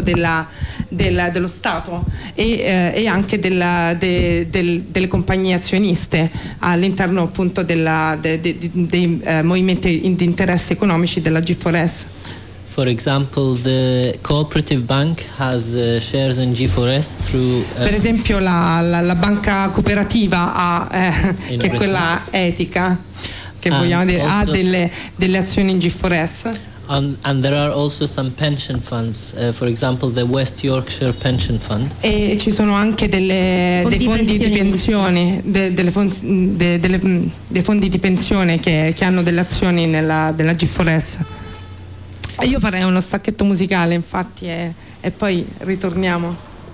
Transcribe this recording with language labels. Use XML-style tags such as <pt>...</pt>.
<it>dello Stato e anche delle compagnie azioniste all'interno appunto dei movimenti di interesse economici della G4S.</it> <en>For example, the cooperative bank has shares in G4S through.</en> <it>Per esempio, la banca cooperativa ha che è quella etica che vogliamo dire, ha delle azioni in G4S.</it> <en>And there are also some pension funds, for example, the West Yorkshire Pension Fund.</en> <it>E ci sono anche dei fondi di pensione che hanno delle azioni nella G4S. Io farei uno stacchetto musicale, infatti, e poi ritorniamo.</it>